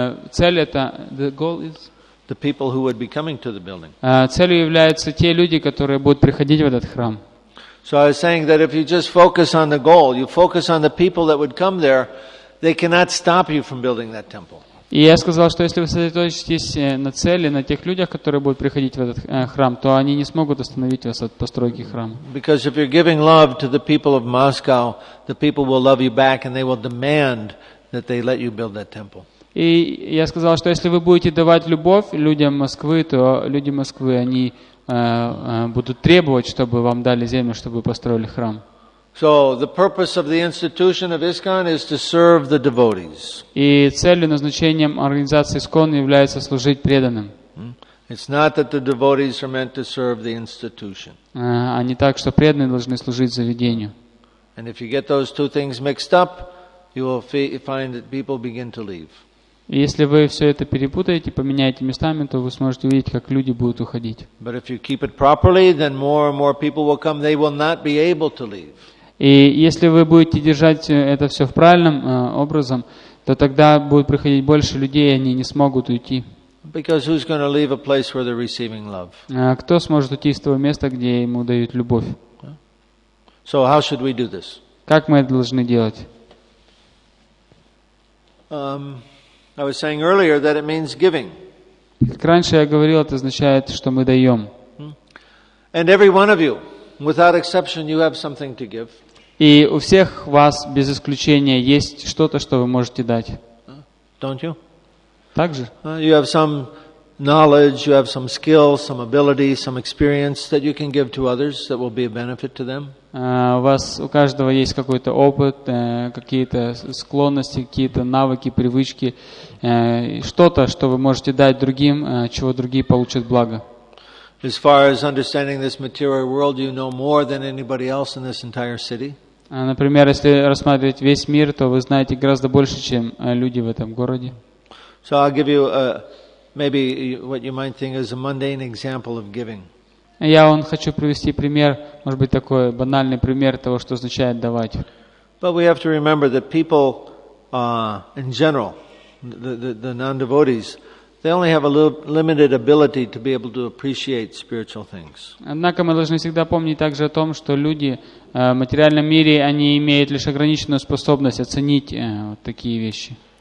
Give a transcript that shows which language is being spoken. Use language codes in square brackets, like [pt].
[ru] Цель это [en] the goal is the people who would be coming to the building. [ru] Целью являются те люди, которые будут приходить в этот храм. [en] So I was saying that if you just focus on the goal, you focus on the people that would come there, they cannot stop you from building that temple. [ru] И я сказал, что если вы сосредоточитесь на цели, на тех людях, которые будут приходить в этот храм, то они не смогут остановить вас от постройки храма. [en] Because if you're giving love to the people of Moscow, the people will love you back and they will demand that they let you build that temple. [ru] И я сказал, что если вы будете давать любовь людям Москвы, то люди Москвы, они будут требовать, чтобы вам дали землю, чтобы вы построили храм. [en] So the purpose of the institution of ISKCON is to serve the devotees. [ru] И целью, назначением организации ISKCON является служить преданным. [en] It's not that the devotees are meant to serve the institution. [ru] А не так, что преданные должны служить заведению. [en] And if you get those two things mixed up, you will find that people begin to leave. [ru] Если вы все это перепутаете, поменяете местами, то вы сможете увидеть, как люди будут уходить. [en] But if you keep it properly, then more and more people will come. They will not be able to leave. [ru] И если вы будете держать это все в правильном образом, то тогда будет приходить больше людей, и они не смогут уйти. [en] Because who's going to leave a place where they're receiving love? [ru] Кто сможет уйти из того места, где ему дают любовь? [en] So how should we do this? [ru] Как мы это должны делать? [en] I was saying earlier that it means giving. [ru] Раньше я говорил, это означает, что мы даем. [en] And every one of you, without exception, you have something to give. [ru] И у всех вас без исключения есть что-то, что вы можете дать. [en] Don't you? [ru] Также. [en] You have some knowledge, you have some skill, some ability, some experience that you can give to others that will be a benefit to them. [ru] У вас у каждого есть какой-то опыт, какие-то склонности, какие-то навыки, привычки, что-то, что вы можете дать другим, чего другие получат благо. [en] As far as understanding this material world, you know more than anybody else in this entire city. [ru] Например, если рассматривать весь мир, то вы знаете гораздо больше, чем люди в этом городе. [en] So I'll give you maybe what you might think is a mundane example of giving. [ru] Я вам хочу привести пример, может быть, такой банальный пример того, что означает давать. [en] But we have to remember that people in general, the non-devotees, they only have a limited ability to be able to appreciate spiritual things. [ru] Однако мы должны всегда помнить также о том, что люди в материальном мире, они имеют лишь ограниченную способность оценить вот такие вещи.